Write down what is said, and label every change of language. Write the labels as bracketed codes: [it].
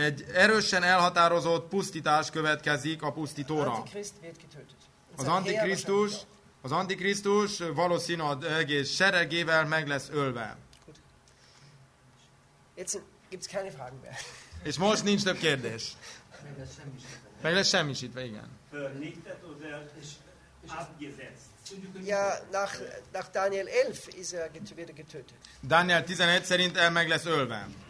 [hu] Egy erősen elhatározott pusztítás következik a pusztítóra. [de] Antichrist wird getötet. [hu] Az Antikrisztus valószínűleg egész seregével meg lesz ölve. [de] Jetzt gibt's keine Fragen mehr. [hu] És most nincs több kérdés. Meg lesz semmisítve, igen. [de] Vernichtet oder abgesetzt. Ja, nach Daniel 11 ist er wieder getötet. [hu] Daniel 11 szerint el meg lesz ölve.